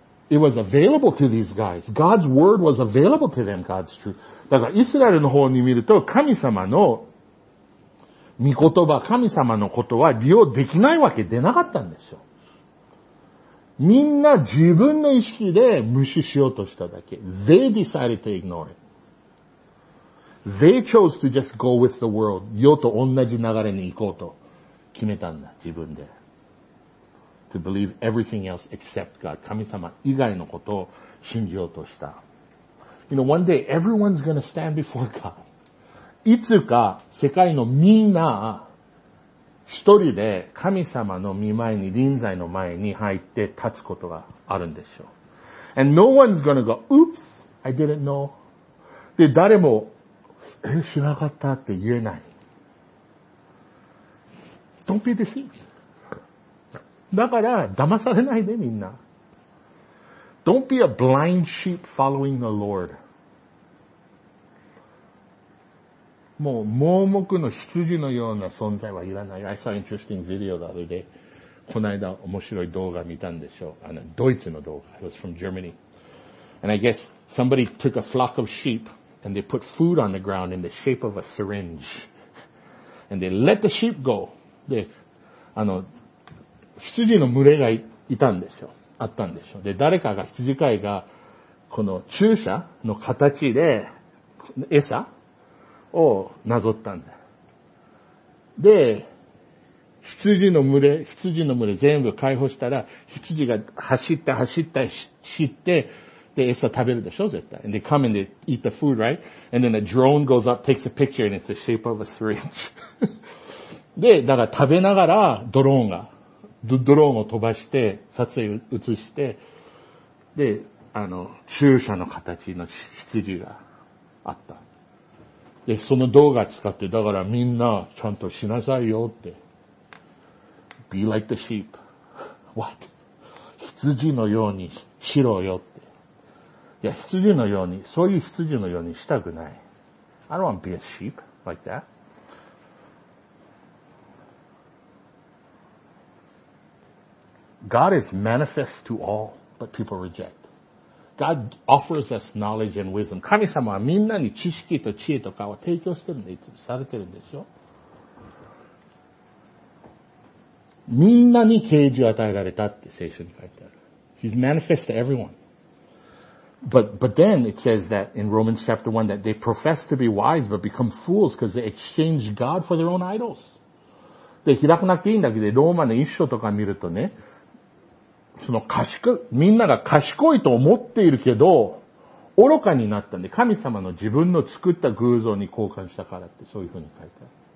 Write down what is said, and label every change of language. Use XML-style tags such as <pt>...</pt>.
<en>It was available to these guys. God's word was available to them, God's truth.</en> <ja>だから、イスラエルの方に見ると、神様の御言葉、神様のことは利用できないわけ、出なかったんですよ。みんな自分の意識で無視しようとしただけ。</ja> <en>They decided to ignore it. They chose to just go with the world.</en> <ja>世と同じ流れに行こうと決めたんだ、自分で。</ja> <en>To believe everything else except God.</en> <ja>神様以外のことを信じようとした。</ja> <en>You know, one day everyone's gonna stand before God.</en> <ja>いつか世界のみんな一人で神様の御前に臨在の前に入って立つことがあるんでしょう。</ja> <en>And no one's gonna go, oops, I didn't know.</en> <ja>で、誰も、え、知らなかったって言えない。</ja> <en>Don't be deceived.</en> <ja>だから、騙されないでみんな。</ja> <en>Don't be a blind sheep following the Lord.</en> <ja>もう盲目の羊のような存在はいらない。</ja> <en>I saw an interesting video the other day.</en> <ja>この間面白い動画見たんでしょう。あの、ドイツの動画。</ja> <en>It was from Germany. And I guess somebody took a flock of sheep and they put food on the ground in the shape of a syringe. And they let the sheep go.</en> <ja>で、あの、羊の群れがいたんですよ。あったんですよ。で、誰かが、羊飼いが、この注射の形で、餌をなぞったんだ。で、羊の群れ全部解放したら、羊が走って、知って、で、餌食べるでしょ、絶対。</ja> <en>And they come and they eat the food, right? And then a drone goes up, takes a picture, and it's the shape of a syringe.</en> <ja>で、だから食べながら、ドローンを飛ばして、撮影を映して、で、あの、注射の形の羊があった。で、その動画使って、だからみんなちゃんとしなさいよって。</ja> <en>Be like the sheep. What?</en> <ja>羊のようにしろよって。いや、羊のように、そういう羊のようにしたくない。</ja> <en>I don't want to be a sheep like that. God is manifest to all, but people reject. God offers us knowledge and wisdom.</en> <ja>神様はみんなに知識と知恵とかを提供してるんで、いつもされてるんでしょ。みんなに啓示を与えられたって聖書に書いてある。</ja> <en>He's manifest to everyone. But then it says that in Romans chapter 1 that they profess to be wise but become fools because they exchange God for their own idols.</en> <ja>で、開くなくていいんだけど、ローマの一章とか見るとね、その賢い、みんなが賢いと思っているけど、愚かになったんで、神様の自分の作った偶像に交換したからって、そういうふうに書いてある。</ja>